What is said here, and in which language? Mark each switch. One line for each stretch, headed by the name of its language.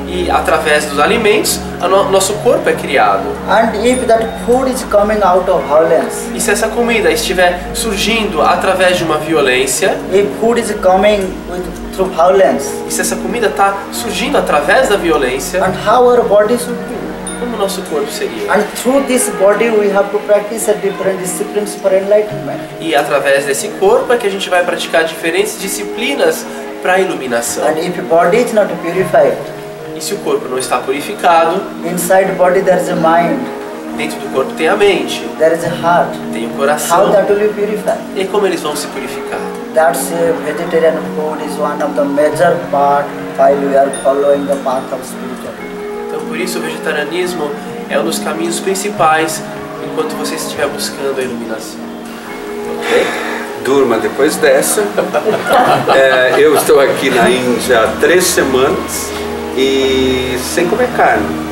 Portuguese: E através dos alimentos, nosso corpo é criado.
English: And if that food is coming out of violence,
Portuguese: e se essa comida estiver surgindo através de uma violência,
English: if food is coming with, through violence,
Portuguese: e se essa comida está surgindo através da violência,
English: and how our body should be?
Portuguese: Como nosso corpo seria?
English: And through this body we have to practice different disciplines for enlightenment.
Portuguese: E através desse corpo é que a gente vai praticar diferentes disciplinas para a iluminação.
English: And if body is not purified,
Portuguese: e se o corpo não está purificado,
English: inside the body there is a mind.
Portuguese: Dentro do corpo tem a mente.
English: There is a heart.
Portuguese: Tem o coração.
English: How that will be purified?
Portuguese: E como eles vão se purificar?
English: That's a vegetarian food is one of the major part while we are following the path of spiritual.
Portuguese: Então por isso o vegetarianismo é um dos caminhos principais enquanto você estiver buscando a iluminação. Ok? Durma depois dessa. Eu estou aqui na Índia há 3 semanas. E sem comer carne.